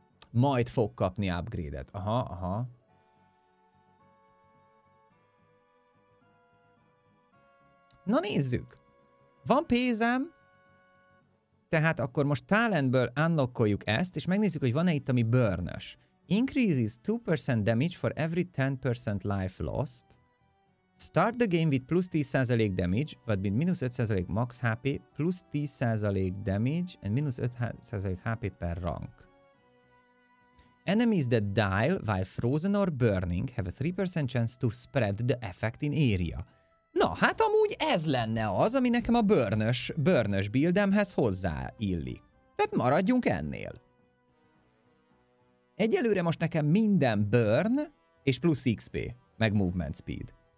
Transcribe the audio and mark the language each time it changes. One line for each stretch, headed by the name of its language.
Hungarian: Majd fog kapni upgrade-et. Aha, aha. Na nézzük. Van pénzem. Tehát akkor most talentből unlockoljuk ezt, és megnézzük, hogy van-e itt, ami burnös.
English: Increases 2% damage for every 10% life lost. Start the game with plus 10% damage, but with minus 5% max HP, plus 10% damage, and minus 5% HP per rank. Enemies that die while frozen or burning have a 3% chance to spread the effect in area.
Hungarian: Na, hát amúgy ez lenne az, ami nekem a burnös buildemhez hozzáillik. Tehát maradjunk ennél. Egyelőre most nekem minden burn és plusz XP, meg movement speed.